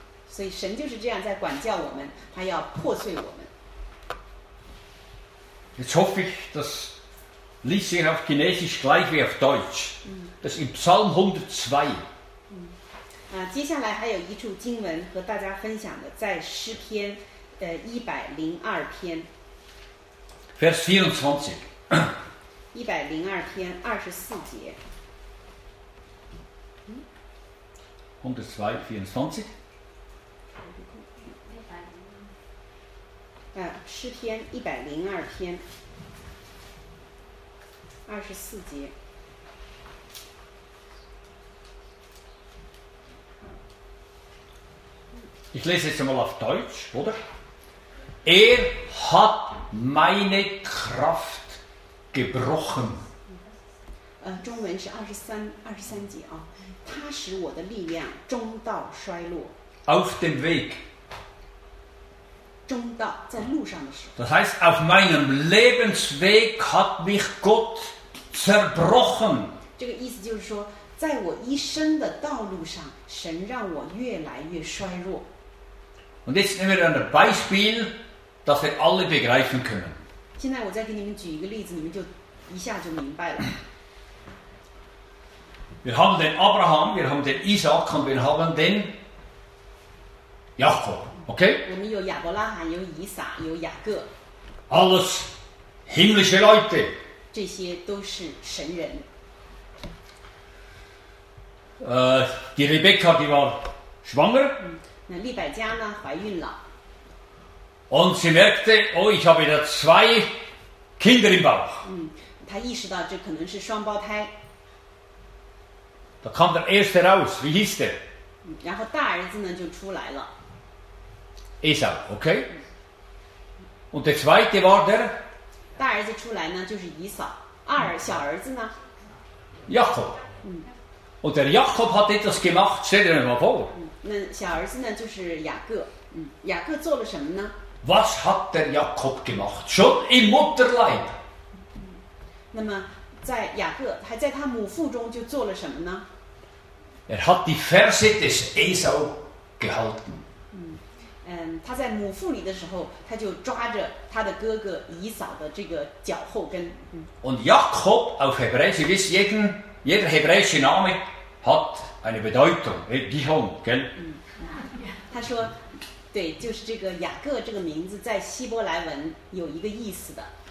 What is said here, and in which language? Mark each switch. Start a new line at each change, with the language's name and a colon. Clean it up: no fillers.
Chinese: So, 神就是这样在管教我们，他要破碎我们。
German: Jetzt hoffe ich, das liest ihr auf Chinesisch gleich wie auf Deutsch. Das ist im Psalm 102.
Chinese: 接下来还有一处经文和大家分享的，在诗篇的102篇
German: Vers 24
Chinese: 102篇24节 102, 24 诗篇102篇二十四节，
German: Ich lese jetzt einmal auf Deutsch, oder? Er hat meine Kraft gebrochen.
Chinese: 中文是23节啊，他使我的力量中道衰落。
German: Auf dem Weg.
Chinese: 中道在路上的时候。
German: Das heißt, auf meinem Lebensweg hat mich Gott zerbrochen.
Chinese: 这个意思就是说，在我一生的道路上，神让我越来越衰弱。
German: Und jetzt nehmen wir ein Beispiel, das wir alle begreifen können.
Chinese: 现在我再给你们举一个例子，你们就一下就明白了。
German: Wir haben den Abraham, wir haben den Isaac und wir haben den Jakob, okay?
Chinese: 我们有亚伯拉罕，有以撒，有雅各。
German: Alles himmlische Leute.
Chinese: 这些都是神人。
German: Die Rebekka, die war schwanger.
Chinese: 那利百加呢？怀孕了。
German: Und sie merkte, oh, ich habe wieder zwei Kinder im Bauch.
Chinese: 她意识到这可能是双胞胎。
German: Da kam der erste raus. Wie hieß der?
Chinese: 然后大儿子呢就出来了。
German: Esau, okay? Und der zweite war der?
Chinese: 大儿子出来呢就是以扫。二小儿子呢
German: ？Jakob. Und der Jakob hat etwas gemacht. Stell dir mal vor.
Chinese: 那小儿子呢就是雅各。雅各做了什么呢
German: ？Was hat der Jakob gemacht? Schon im Mutterleib.
Chinese: 那么。在雅各还在他母腹中就做了什么呢
German: Er hat die Verse des Esau gehalten.
Chinese: 他在母腹里的时候他就抓着他的哥哥以扫的这个脚后跟。
German: Und Jakob auf Hebräisch, wie jeder hebräische Name hat eine Bedeutung, Gihon, gell?
Chinese: 他说对就是这个雅各这个名字在希伯来文有一个意思的。